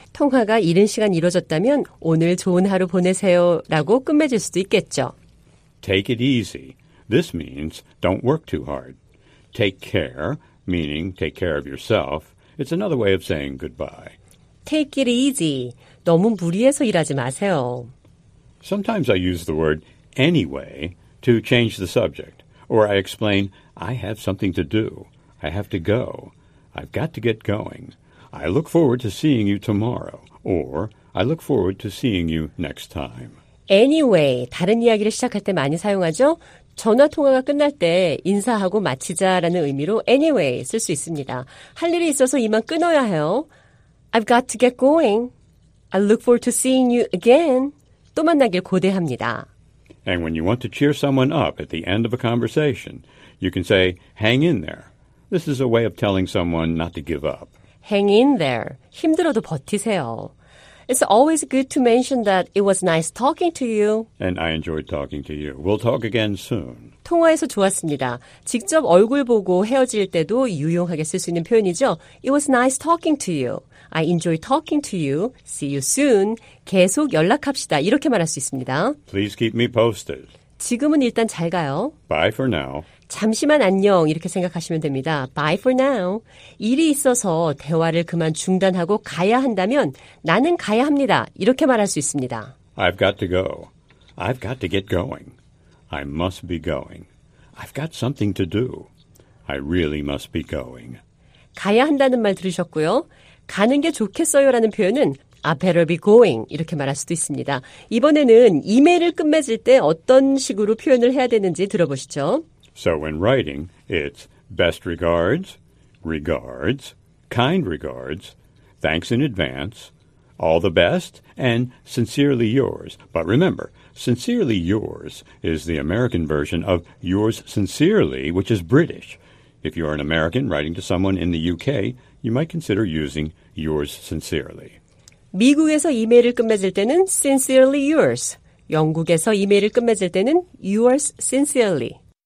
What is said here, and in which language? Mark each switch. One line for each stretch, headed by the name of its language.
Korean: 통화가 이른 시간 이루어졌다면 오늘 좋은 하루 보내세요 라고 끝맺을 수도 있겠죠.
English: Take it easy. This means don't work too hard. Take care, meaning take care of yourself. It's another way of saying goodbye. Take it easy.
Korean: 너무 무리해서 일하지 마세요.
English: Sometimes I use the word anyway to change the subject. Or I explain, I have something to do. I have to go. I've got to get going. I look forward to seeing you tomorrow, or I look forward to seeing you next time.
Korean: Anyway, 다른 이야기를 시작할 때 많이 사용하죠? 전화 통화가 끝날 때 인사하고 마치자라는 의미로 anyway 쓸 수 있습니다. 할 일이 있어서 이만 끊어야 해요.
English: I've got to get going. I look forward to seeing you again.
Korean: 또 만나길 고대합니다.
English: And when you want to cheer someone up at the end of a conversation, you can say, hang in there. This is a way of telling someone not to give up. Hang in there.
Korean: 힘들어도 버티세요.
English: It's always good to mention that it was nice talking to you. And I enjoyed talking to you. We'll talk again soon.
Korean: 통화에서 좋았습니다. 직접 얼굴 보고 헤어질 때도 유용하게 쓸 수 있는 표현이죠.
English: It was nice talking to you. I enjoyed talking to you. See you soon.
Korean: 계속 연락합시다. 이렇게 말할 수 있습니다.
English: Please keep me posted.
Korean: 지금은 일단 잘 가요.
English: Bye for now.
Korean: 잠시만 안녕 이렇게 생각하시면 됩니다.
English: Bye for now.
Korean: 일이 있어서 대화를 그만 중단하고 가야 한다면 나는 가야 합니다. 이렇게 말할 수 있습니다.
English: I've got to go. I've got to get going. I must be going. I've got something to do. I really must be going.
Korean: 가야 한다는 말 들으셨고요. 가는 게 좋겠어요라는 표현은
English: I better be going
Korean: 이렇게 말할 수도 있습니다. 이번에는 이메일을 끝맺을 때 어떤 식으로 표현을 해야 되는지 들어보시죠.
English: So when writing, it's best regards, regards, kind regards, thanks in advance, all the best, and sincerely yours. But remember, sincerely yours is the American version of yours sincerely, which is British. If you're an American writing to someone in the UK, you might consider using yours sincerely.
Korean: 미국에서 이메일을 끝맺을 때는 sincerely yours. 영국에서 이메일을 끝맺을 때는 yours sincerely.